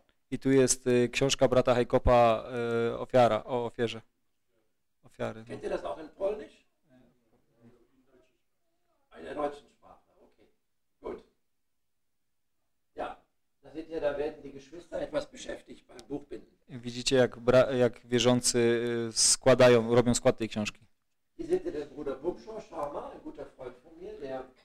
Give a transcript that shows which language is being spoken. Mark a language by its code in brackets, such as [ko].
[pl] I tu jest książka brata Heikopa, ofiara, o ofierze. Ofiary. [de] Kennt ihr das auch in Polnisch? In der deutschen Sprache, okay. Gut. Ja, da seht ihr, da werden die Geschwister etwas beschäftigt beim Buchbinden. [pl] Widzicie, jak wierzący składają, robią skład tej książki. [de] Hier seht ihr den Bruder Bubschor, schau mal, ein guter Freund von mir, der